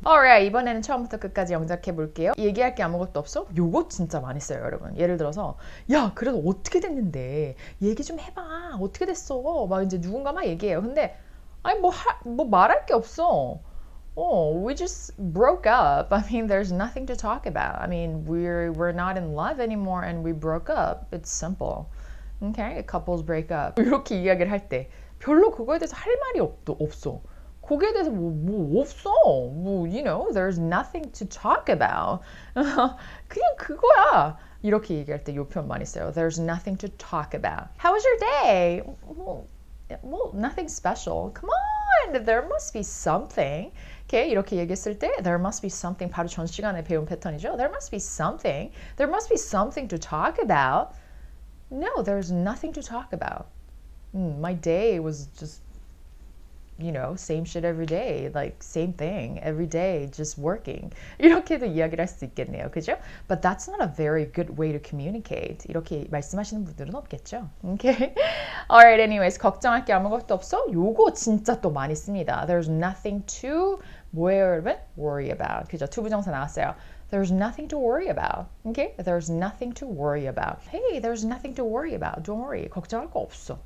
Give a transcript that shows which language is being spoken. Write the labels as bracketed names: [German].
[English] Alright, [Korean] 이번에는 처음부터 끝까지 영작해 볼게요. 얘기할 게 아무것도 없어? 요거 진짜 많이 써요, 여러분. 예를 들어서 야, 그래도 어떻게 됐는데? 얘기 좀 해봐. 어떻게 됐어? 막 이제 누군가 막 얘기해요. 근데 아니, 뭐 말할 게 없어. [English] We just broke up. I mean, there's nothing to talk about. I mean, we're not in love anymore and we broke up. It's simple. Okay, couples break up. [Korean] 이렇게 이야기를 할 때 별로 그거에 대해서 할 말이 없어. 거기에 대해서 뭐 없어. [English] 뭐, you know, there's nothing to talk about. [Korean] 그냥 그거야. 이렇게 얘기할 때 요 표현 많이 써요. [English] There's nothing to talk about. How was your day? Well, nothing special. Come on, there must be something. Okay, [Korean] 이렇게 얘기했을 때 [English] there must be something. [Korean] 바로 전 시간에 배운 패턴이죠. [English] There must be something. There must be something to talk about. No, there's nothing to talk about. My day was just, you know, same shit every day, like same thing every day, just working. [Korean] 이렇게도 이야기를 할 수 있겠네요, 그죠? [English] But that's not a very good way to communicate. [Korean] 이렇게 말씀하시는 분들은 없겠죠? [English] Okay. All right. Anyways, [Korean] 걱정할 게 아무것도 없어. 요거 진짜 또 많이 씁니다. [English] There's nothing to [Korean] 뭐예요, 여러분? [English] Worry about. [Korean] 그죠? 투 부정사 나왔어요. [English] There's nothing to worry about. Okay? There's nothing to worry about. Hey, there's nothing to worry about. Don't worry. [Korean] 걱정할 거 없어.